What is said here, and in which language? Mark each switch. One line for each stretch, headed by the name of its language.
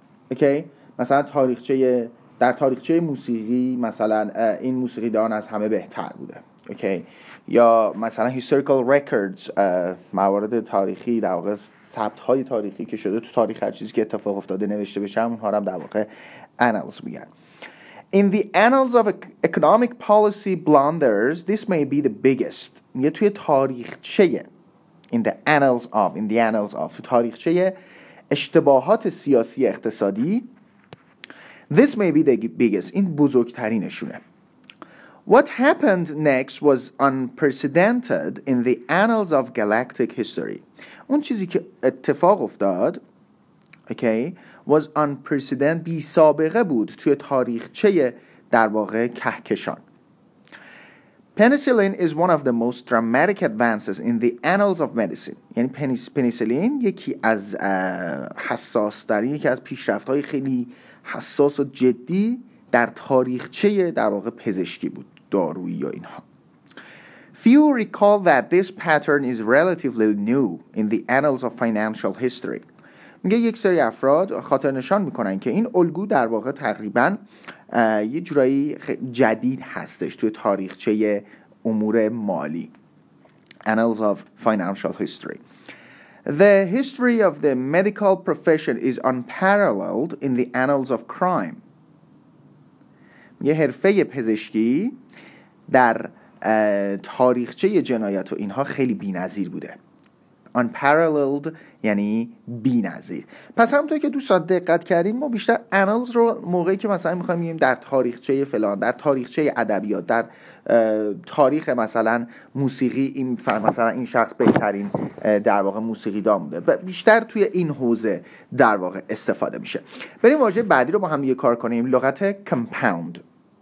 Persian: اوکی؟ مثلا تاریخچه، در تاریخچه موسیقی مثلا این موسیقیدان از همه بهتر بوده. اوکی؟ یا مثلا
English: historical records،
Persian: موارد تاریخی، در واقع ثبت‌های تاریخی که شده تو تاریخ، هر چیزی که اتفاق افتاده نوشته بشه، اونها رو هم در واقع annals میگن.
English: In the annals of economic policy blunders, this may be the biggest.
Persian: یه توی تاریخچه،
English: in the annals of
Persian: تاریخچه اشتباهات سیاسی اقتصادی،
English: this may be the biggest.
Persian: این بزرگترینشونه.
English: What happened next was unprecedented in the annals of galactic history.
Persian: اون چیزی که اتفاق افتاد، okay,
English: was unprecedented،
Persian: بی سابقه بود توی تاریخچه در واقع کهکشان.
English: Penicillin is one of the most dramatic advances in the annals of medicine.
Persian: یعنی پنیسیلین یکی از حساس‌ترین، یکی از پیشرفت‌های خیلی حساس و جدی در تاریخچه در واقع پزشکی بود، دارویی یا اینها.
English: Few recall that this pattern is relatively new in the annals of financial history.
Persian: میگه یک سری افراد خاطر نشان میکنن که این الگو در واقع تقریبا یه جورایی جدید هستش توی تاریخچه امور مالی.
English: Annals of Financial History. The history of the medical profession is unparalleled in the annals of crime.
Persian: یه حرفه پزشکی در تاریخچه جنایت و اینها خیلی بی‌نظیر بوده. Unparalleled یعنی بی‌نظیر. پس همونطور که دوستان دقت کردیم، ما بیشتر annals رو موقعی که مثلا می‌خوایم بگیم در تاریخچه فلان، در تاریخچه ادبیات، در تاریخ مثلا موسیقی، این مثلا این شخص بهترین در واقع موسیقیدان بوده، بیشتر توی این حوزه در واقع استفاده میشه. بریم واژه بعدی رو با هم یه کار کنیم، لغت compound.